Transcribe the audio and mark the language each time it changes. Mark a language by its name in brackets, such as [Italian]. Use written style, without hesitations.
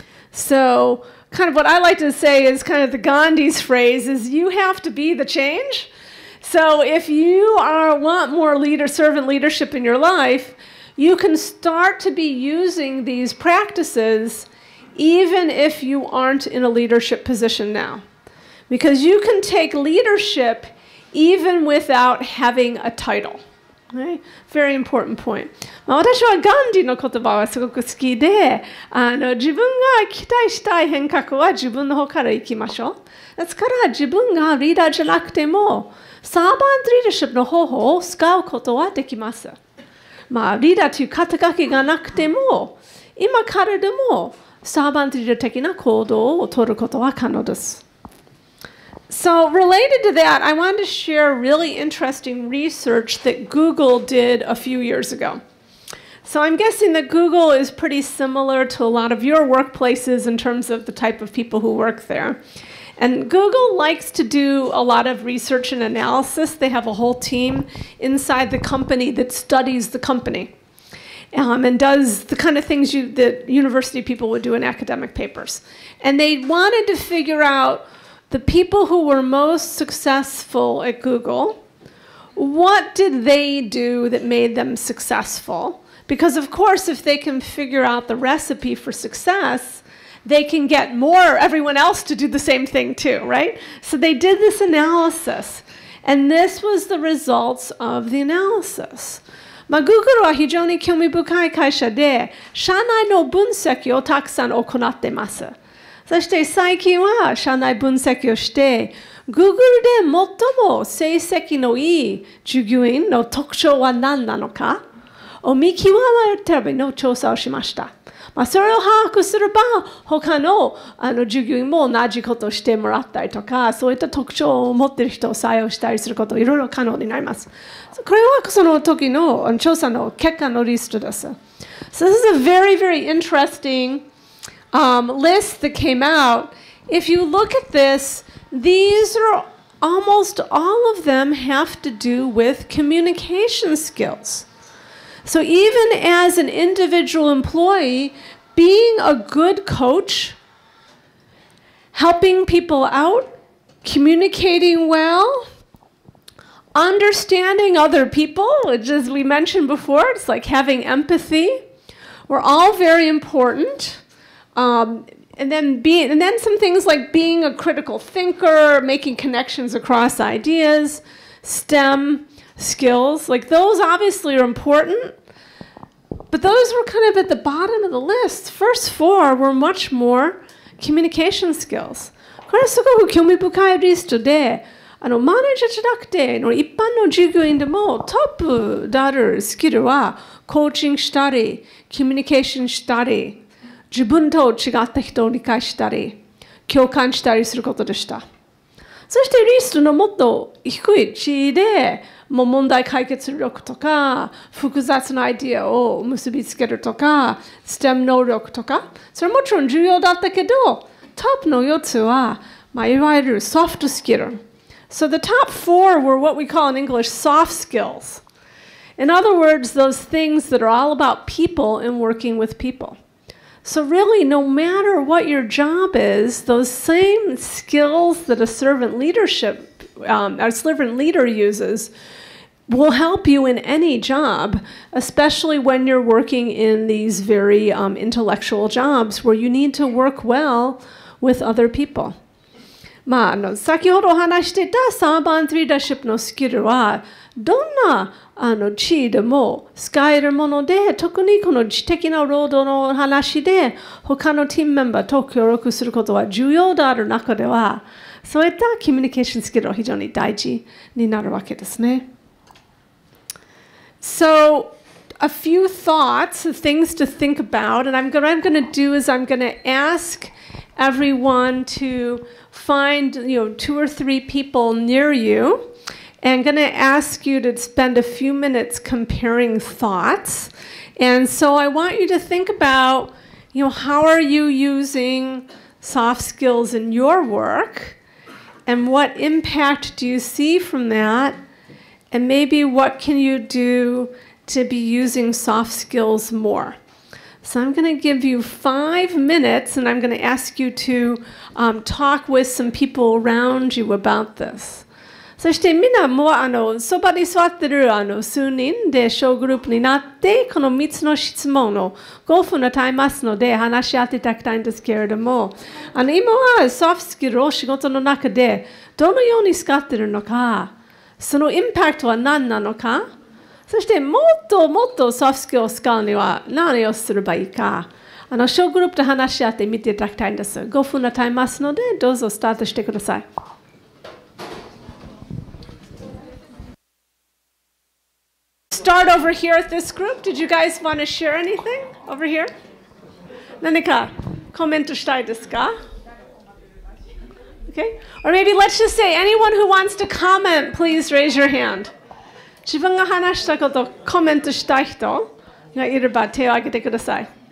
[English] So, kind of what I like to say is kind of the Gandhi's phrase is you have to be the change. So if you are want more leader servant leadership in your life, you can start to be using these practices even if you aren't in a leadership position now. Because you can take leadership even without having a title. Right? Very important point. [Japanese] まあ、私はガンディの言葉はすごく好きで、自分が期待したい変革は自分の方から行きましょう。ですから自分がリーダーじゃなくてもサーバントリーダーシップの方法を使うことはできます。まあ、リーダーという肩書きがなくても今からでもサーバントリーダー的な行動を取ることは可能です。 [English] So related to that, I wanted to share really interesting research that Google did a few years ago. So I'm guessing that Google is pretty similar to a lot of your workplaces in terms of the type of people who work there. And Google likes to do a lot of research and analysis. They have a whole team inside the company that studies the company and does the kind of things that university people would do in academic papers. And they wanted to figure out the people who were most successful at Google, what did they do that made them successful? Because of course, if they can figure out the recipe for success, they can get more everyone else to do the same thing too, right? So they did this analysis, and this was the results of the analysis. [Japanese] まあ、Google は非常に興味深い会社で、社内の分析をたくさん行ってます。そして最近は社内分析をして、Google で最も成績のいい従業員の特徴は何なのかを見極めるための調査をしました。まあ、それを把握すれば、他の従業員も同じことをしてもらったりとか、そういった特徴を持っている人を採用したりすること、いろいろ可能になります。これはその時の調査の結果のリストです。 [English] So this is a very, very interestinglist that came out. If you look at this, these are almost all of them have to do with communication skills. So even as an individual employee, being a good coach, helping people out, communicating well, understanding other people, which as we mentioned before, it's like having empathy, were all very important. And then some things like being a critical thinker, making connections across ideas, STEM skills, like those obviously are important, But those were kind of at the bottom of the list. First four were much more communication skills. [Japanese] これはすごく興味深いリストで、あのマネージャーじゃなくて、の一般の従業員でもトップであるスキルはコーチングしたり、コミュニケーションしたり、自分と違った人を理解したり、共感したりすることでした。そしてリストのもっと低い地位で、もう問題解決力とか、複雑なアイディアを結びつけるとか、STEM 能力とか、それもちろん重要だったけど、top の4つは、まあ、いわゆる soft skill. [English] So the top four were what we call in English soft skills. In other words, those things that are all about people and working with people. So really, no matter what your job is, those same skills that a servant leadership, a servant leader uses will help you in any job, especially when you're working in these very intellectual jobs where you need to work well with other people. [Japanese] まあ、先ほどお話ししていた3番リーダーシップのスキルはどんな地位でも使えるもので、特にこの知的な労働の話で他のチームメンバーと協力することは重要である中では、そういったコミュニケーションスキルは非常に大事になるわけですね。 [English] So a few thoughts, things to think about, and I'm going to ask everyone to find, you know, two or three people near you, and going to ask you to spend a few minutes comparing thoughts. And so I want you to think about, you know, how are you using soft skills in your work, and what impact do you see from that, and maybe what can you do to be using soft skills more. So I'm going to give you 5 minutes, and I'm going to ask you to talk with some people around you about this. [Japanese] そしてみんなもそばに座ってる数人で小グループになって、この3つの質問を5分の耐えますので話し合っていただきたいんですけれども、今はソフトスキルを仕事の中でどのように使ってるのか、そのインパクトは何なのか、そしてもっともっとソフトスキルを使うには何をすればいいか、小グループで話し合ってみていただきたいんです。 5分の耐えますので、どうぞスタートしてください。 [English] Start over here at this group. Did you guys want to share anything over here? [Japanese] 何かコメントしたいですか? [English] Okay. Or maybe let's just say, anyone who wants to comment, please raise your hand. [Japanese] 自分が話したことをコメントしたい人がいれば手を挙げてください。